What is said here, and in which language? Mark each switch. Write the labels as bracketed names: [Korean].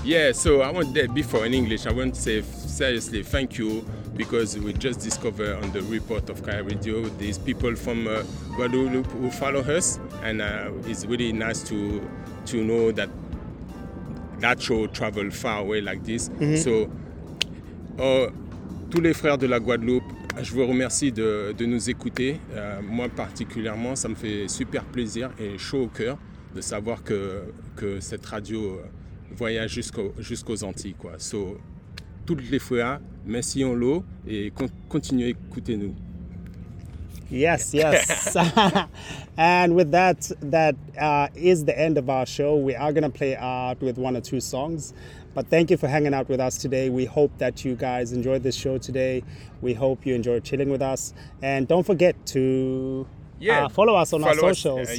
[English] Yeah, so I want that before in English. I want to say seriously thank you, because we just discovered on the report of Kai Radio these people from Guadeloupe who follow us. And it's really nice to know that that show travel far away like this. Mm-hmm. [French] So, tous les frères de la Guadeloupe, je vous remercie de nous écouter. Moi particulièrement, ça me fait super plaisir et chaud au cœur de savoir que cette radio voyage jusqu'aux Antilles, quoi. So, toutes les frères, merci en l'eau et continuez à écouter nous. [English] Yes, yes. And with that, that is the end of our show. We are going to play out with one or two songs. But thank you for hanging out with us today. We hope that you guys enjoyed this show today. We hope you enjoyed chilling with us. And don't forget to follow us on our socials.